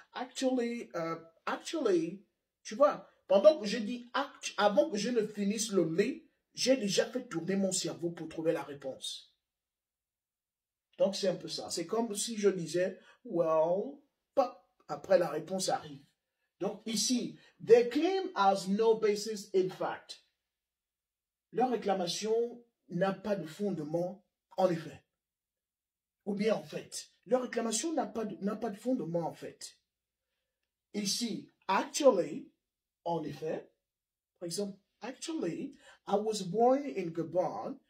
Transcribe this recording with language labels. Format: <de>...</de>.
<fr>Actually, tu vois, pendant que je dis act, avant que je ne finisse le mais, j'ai déjà fait tourner mon cerveau pour trouver la réponse. Donc c'est un peu ça. C'est comme si je disais,</fr> <en>well, pop,</en> <fr>après la réponse arrive. Donc ici,</fr> <en>the claim has no basis in fact.</en> <fr>Leur réclamation n'a pas de fondement, en effet. Ou bien en fait, leur réclamation n'a pas de fondement, en fait.</fr> <en>Ici, actually,</en> <fr>en effet, par exemple,</fr> <en>actually, I was born in Gabon.</en>